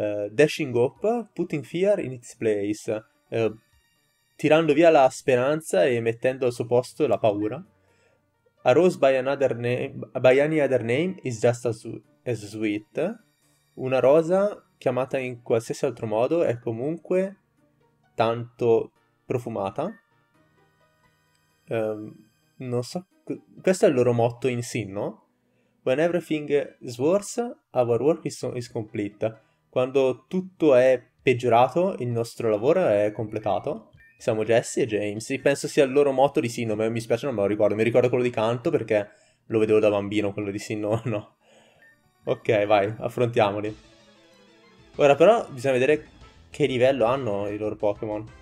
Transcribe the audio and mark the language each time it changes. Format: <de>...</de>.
<en>Dashing up, putting fear in its place.</en> <it>Tirando via la speranza e mettendo al suo posto la paura.</it> <en>A rose by another name, by any other name is just as sweet.</en> <it>Una rosa chiamata in qualsiasi altro modo è comunque tanto profumata. Non so. Questo è il loro motto in sinno.</it> <en>When everything is worse, our work is complete.</en> <it>Quando tutto è peggiorato, il nostro lavoro è completato. Siamo Jesse e James, penso sia il loro motto di Sinnoh, ma mi spiace, non me lo ricordo. Mi ricordo quello di canto perché lo vedevo da bambino, quello di Sinnoh, no? Ok, vai, affrontiamoli. Ora però bisogna vedere che livello hanno i loro Pokémon.</it>